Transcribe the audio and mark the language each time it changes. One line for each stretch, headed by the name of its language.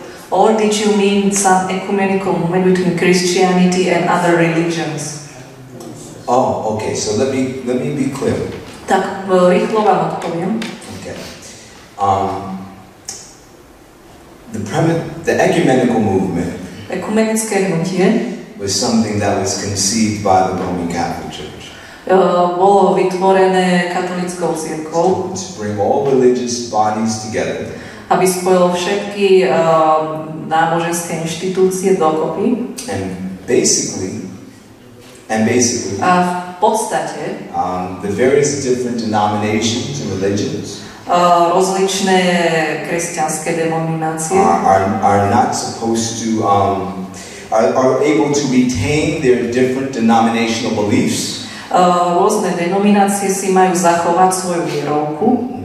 English: Or did you mean some ecumenical movement between Christianity and other religions? Oh, okay. So let me be clear.
Slovak: Tak rýchlo vám odpoviem.
English: Okay. The ecumenical movement.
Slovak: Ekumenické hnutie
English: was something that was conceived by the Roman Catholic Church.
Slovak: Bolo vytvorené katolickou cirkvou.
English: To bring all religious bodies together.
Slovak: Aby spojil všetky náboženské inštitúcie dokopy.
English: And basically.
Slovak: A v podstate.
English: The various different denominations and religions.
Slovak: Rozličné kresťanské denominácie.
English: Are not supposed to are able to retain their different denominational beliefs.
Slovak: Rôzne denominácie si majú zachovať svoju vierovku.